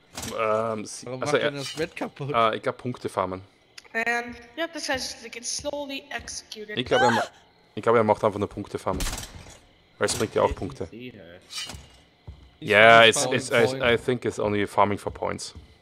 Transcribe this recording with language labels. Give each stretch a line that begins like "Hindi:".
German: Warum macht er das Red kaputt? Ich glaube Punkte farmen.
English: And yep, this has to get slowly executed.
German: Ich glaube er macht einfach nur Punkte farmen. Weil es bringt ja auch Punkte.
English: Yeah, it's I think it's only farming for points.